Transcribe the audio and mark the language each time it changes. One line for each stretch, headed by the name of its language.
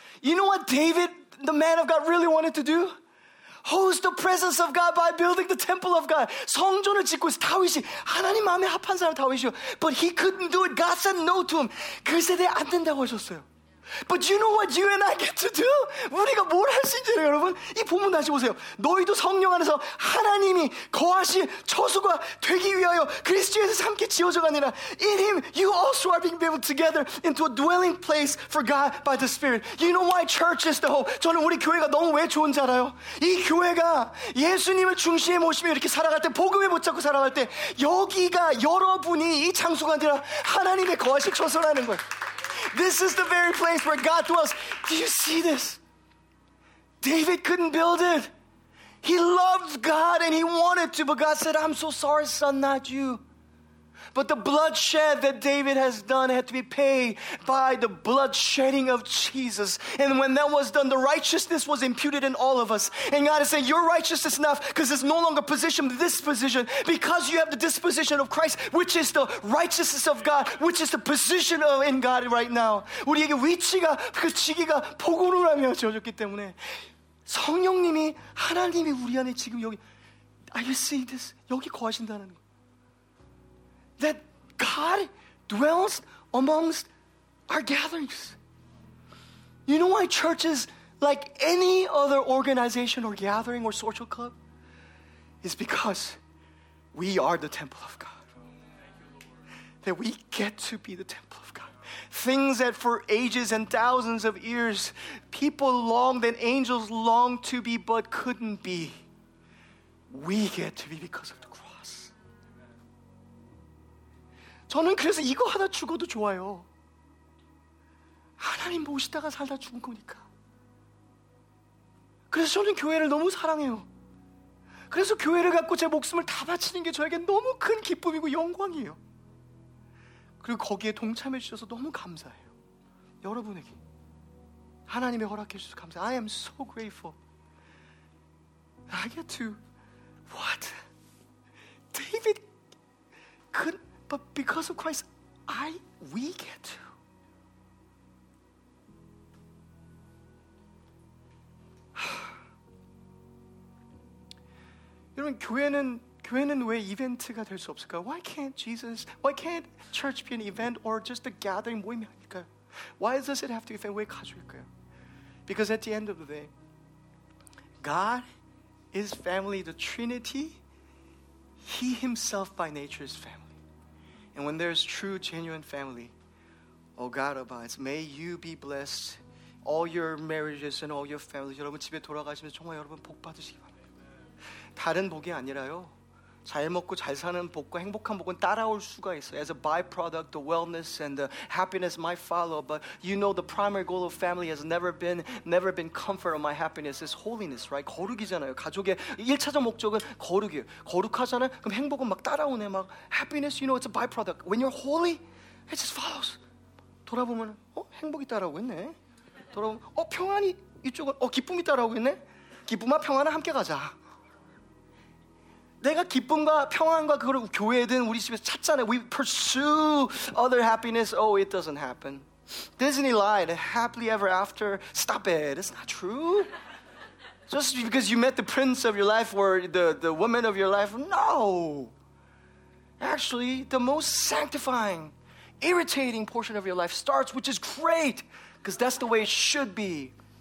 English: You know what David, the man of God, really wanted to do? Host the presence of God by building the temple of God.
Korean: 성전을 짓고 있어. 다윗이. 하나님 마음에 합한 사람 다윗이요.
English: But he couldn't do it. God said no to him.
Korean: 그 세대에 안 된다고 하셨어요.
English: But you know what you and I get to do?
Korean: 우리가 뭘 할 수 있지요, 여러분? 이 본문 다시 보세요. 너희도 성령 안에서 하나님이 거하실 처소가 되기 위하여 그리스도에서 함께 지어져 가느라
English: In him, you also are being built together into a dwelling place for God by the Spirit. You know why church is the hope?
Korean: 저는 우리 교회가 너무 왜 좋은지 알아요? 이 교회가 예수님을 중심에 모시며 이렇게 살아갈 때 복음에 붙잡고 살아갈 때 여기가 여러분이 이 장소가 아니라 하나님의 거하실 처소라는 거예요.
English: This is the very place where God dwells. Do you see this? David couldn't build it. He loved God and he wanted to, but God said, I'm so sorry, son, not you. But the bloodshed that David has done had to be paid by the bloodshedding of Jesus. And when that was done, the righteousness was imputed in all of us. And God is saying, your righteousness is enough because it's no longer positioned this position. Because you have the disposition of Christ, which is the righteousness of God, which is the position of in God right now.
Korean: 우리에게 위치가, 그 지기가 복음으로 하며 지어졌기 때문에 성령님이, 하나님이 우리 안에 지금 여기,
English: are you seeing this?
Korean: 여기 거하신다는 거예요.
English: That God dwells amongst our gatherings. You know why church is like any other organization or gathering or social club? It's because we are the temple of God. That we get to be the temple of God. Things that for ages and thousands of years, people longed and angels longed to be but couldn't be. We get to be because of the
Korean: 저는 그래서 이거 하나 죽어도 좋아요. 하나님 모시다가 살다 죽은 거니까. 그래서 저는 교회를 너무 사랑해요. 그래서 교회를 갖고 제 목숨을 다 바치는 게 저에게 너무 큰 기쁨이고 영광이에요. 그리고 거기에 동참해 주셔서 너무 감사해요. 여러분에게 하나님의 허락해 주셔서 감사해요.
English: I am so grateful. I get to what? David couldn't But because of Christ, we get to.
Korean: 여러분, 교회는 왜 이벤트가 될 수 없을까요?
English: Why can't church be an event or just a gathering
Korean: 모임이 아닐까요?
English: Why does it have to be event?
Korean: 왜 가족일까요?
English: Because at the end of the day, God is family, the Trinity. He himself by nature is family. And when there is true, genuine family, oh God abides. May you be blessed, all your marriages and all your families.
Korean: 여러분 집에 돌아가시면 정말 여러분 복 받으시기 바랍니다. 다른 복이 아니라요. 잘 먹고 잘 사는 복과 행복한 복은 따라올 수가 있어요.
English: As a byproduct, the wellness and the happiness might follow, but you know the primary goal of family has never been comfort or my happiness. It's holiness, right?
Korean: 거룩이잖아요. 가족의 1차적 목적은 거룩이에요. 거룩하잖아요. 그럼 행복은 막 따라오네.
English: 막 happiness, you know, it's a byproduct. When you're holy, it just follows.
Korean: 돌아보면, 행복이 따라오고 있네. 돌아보면, 평안이 이쪽은, 기쁨이 따라오고 있네. 기쁨아, 평안아, 함께 가자. 내가 기쁨과 평안과 그걸 교회든 우리 집에서 찾잖아요.
English: We pursue other happiness. Oh, it doesn't happen. Disney lied. Happily ever after. Stop it. It's not true. Just because you met the prince of your life or the woman of your life. No. Actually, the most sanctifying, irritating portion of your life starts, which is great, because that's the way it should be.